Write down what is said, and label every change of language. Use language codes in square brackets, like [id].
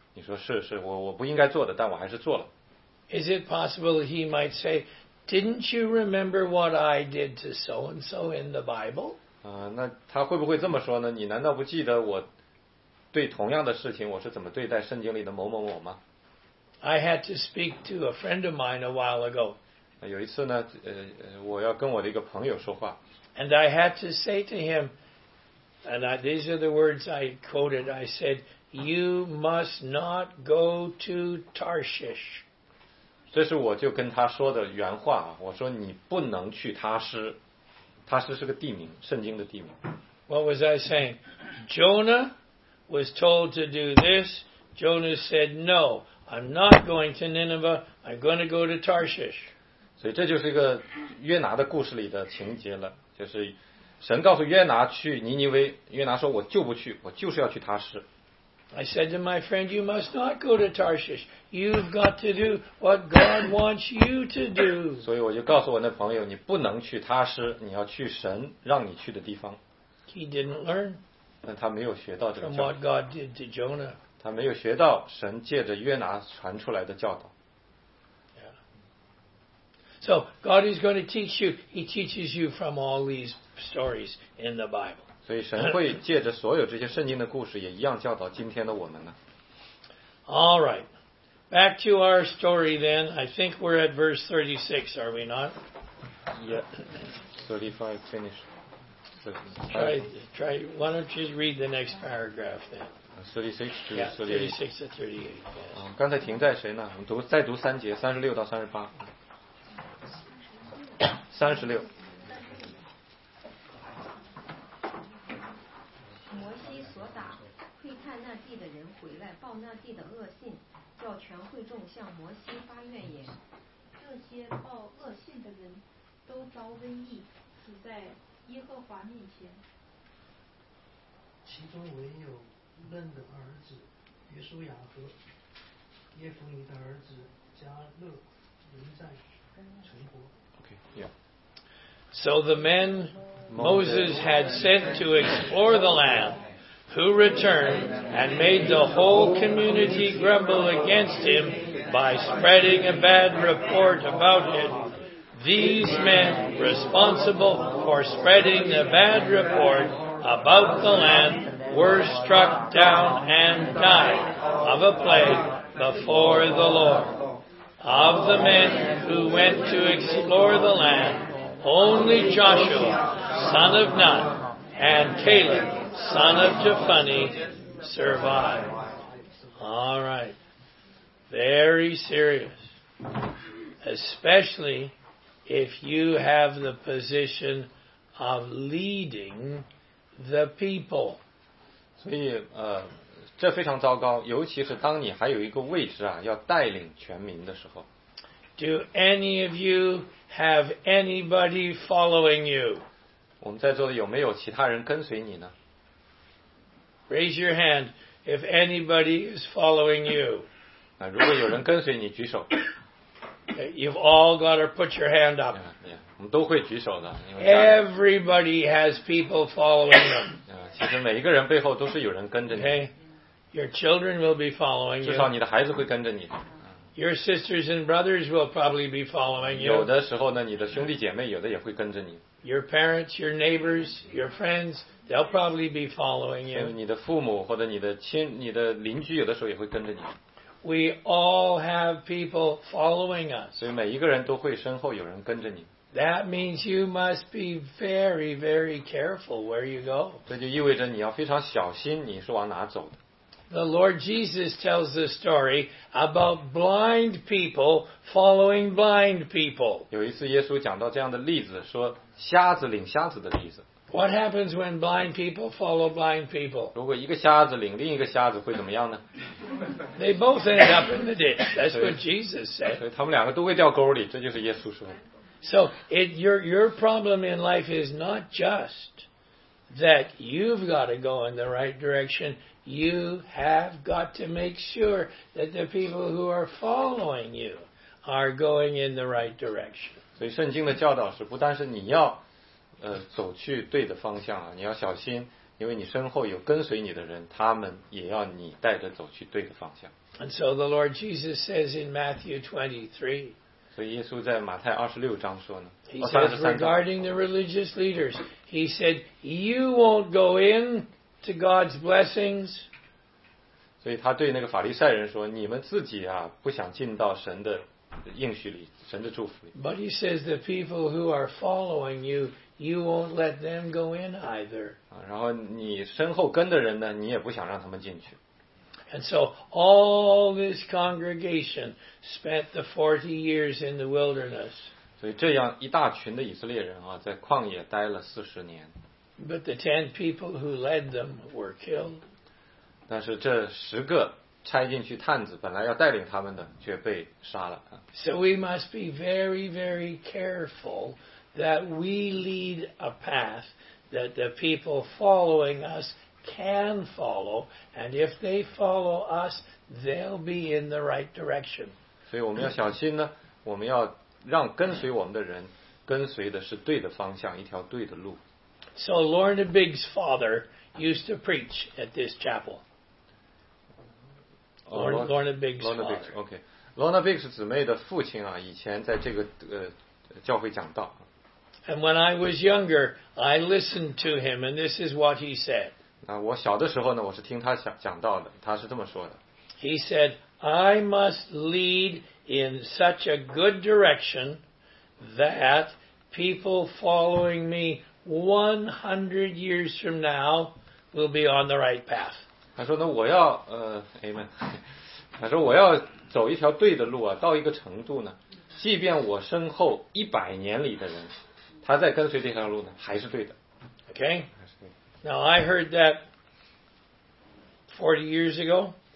[zh] 你说是我不应该做的，但我还是做了。 [en] Is it possible he might say, "Didn't you remember what I did to so and so in the Bible?" [zh] 那他会不会这么说呢？你难道不记得我对同样的事情我是怎么对待圣经里的某某某吗 [en] ？I had to speak to a friend of mine a while ago. [zh] 有一次呢，我要跟我的一个朋友说话。 [en] And I had to say to him, and these are the words I quoted. I said. You must not go to Tarshish. [zh] 这是我就跟他说的原话啊，我说你不能去他师，他师是个地名，圣经的地名。 [en] What was I saying? Jonah was told to do this. Jonah said, "No, I'm not going to Nineveh. I'm going to go to Tarshish." [zh] 所以这就是一个约拿的故事里的情节了，就是神告诉约拿去尼尼微，约拿说我就不去，我就是要去他施。 [en] I said to my friend, you must not go to Tarshish. You've got to do what God wants you to do. [zh] 所以我就告诉我那朋友，你不能去他施，你要去神让你去的地方。 [en] He didn't learn. [zh] 但他没有学到这个教导。 [en] From what God did to Jonah. [zh] 他没有学到神借着约拿传出来的教导。 [en] So God is going to teach you. He teaches you from all these stories in the Bible. [zh] 所以神会借着所有这些圣经的故事，也一样教导今天的我们呢。 [en] All right, back to our story then. I think we're at verse 36, are we not? Yeah, 35 finish. Try. Why don't you read the next paragraph then? 36 to 38. [zh] 刚才停在谁呢？我们再读三节，36到38。三十六。摩西所打窥探那地的人回来报那地的恶信，叫全会众向摩西发怨言，这些报恶信的人都遭瘟疫死在耶和华面前，其中唯有嫩的儿子约书亚和耶夫尼的儿子加勒仍在存活。 [en] So the men Moses had sent to explore the land, who returned and made the whole community grumble against him by spreading a bad report about it. These men, responsible for spreading the bad report about the land, were struck down and died of a plague before the Lord. Of the men who went to explore the land,Only Joshua, son of Nun, and Caleb, son of Jephunneh, survived. All right. Very serious. Especially if you have the position of leading the people. [zh] 所以这非常糟糕，尤其是当你还有一个位置啊，要带领全民的时候。 [en] Do any of you have anybody following you? [zh] 我们在座的有没有其他人跟随你呢？ [en] Raise your hand if anybody is following you. [zh] 那如果有人跟随你，举手。 [en] You've all got to put your hand up. [zh] 我们都会举手的。 [en] Everybody has people following them. [zh] 其实每一个人背后都是有人跟着你。 [en] Your children will be following you. [zh] 至少你的孩子会跟着你。 [en] Your sisters and brothers will probably be following you. [zh] 有的时候呢，你的兄弟姐妹有的也会跟着你。 [en] Your parents, your neighbors, your friends, they'll probably be following you. [zh] 你的父母或者你的邻居有的时候也会跟着你。 [en] We all have people following us. [zh] 所以每一个人都会身后有人跟着你。 [en] That means you must be very, very careful where you go. [zh] 这就意味着你要非常小心你是往哪走的。 [en] The Lord Jesus tells a story about blind people following blind people. [zh] 有一次耶稣讲到这样的例子，说瞎子领瞎子的例子。 [en] What happens when blind people follow blind people? [zh] 如果一个瞎子领另一个瞎子会怎么样呢？ [en] They both end up in the ditch. That's what Jesus said. [zh] 所以他们两个都会掉沟里，这就是耶稣说。 [en] So your problem in life is not just that you've got to go in the right direction. You have got to make sure that the people who are following you are going in the right direction. [zh] 所以圣经的教导是不单是你要走去对的方向啊，你要小心，因为你身后有跟随你的人，他们也要你带着走去对的方向。 [en] And so the Lord Jesus says in Matthew 23. [zh] 所以耶稣在马太二十六章说呢。 [en] He says regarding the religious leaders, he said, "You won't go in." To God's blessings. [zh] 所以他对那个法利赛人说，你们自己啊，不想进到神的应许里，神的祝福里。 [en] But he says the people who are following you, you won't let them go in either. [zh] 然后你身后跟的人呢，你也不想让他们进去。 [en] And so all this congregation spent the 40 years in the wilderness. [zh] 所以这样一大群的以色列人啊，在旷野待了40年。 [en] But the 10 people who led them were killed. [zh] 但是这十个拆进去探子本来要带领他们的却被杀了。 [en] So we must be very, very careful that we lead a path that the people following us can follow, and if they follow us, they'll be in the right direction. [zh] 所以我们要小心呢，我们要让跟随我们的人跟随的是对的方向，一条对的路。 [en] So Lorna Biggs' father used to preach at this chapel. [zh] Lorna Biggs. Okay. Lorna Biggs 姊妹的父亲啊，以前在这个教会讲道。 [en] And when I was younger, I listened to him, and this is what he said. [zh] 那我小的时候呢，我是听他讲道的，他是这么说的。 [en] He said, "I must lead in such a good direction that people following me 100 years from now will be on the right path." [zh] 他说呢，我要Amen. 他说我要走一条对的路啊，到一个程度呢，即便我身后一百年里的人，他在跟随这条路呢，还是对的。 [en] Okay. Now I heard that 40 years ago.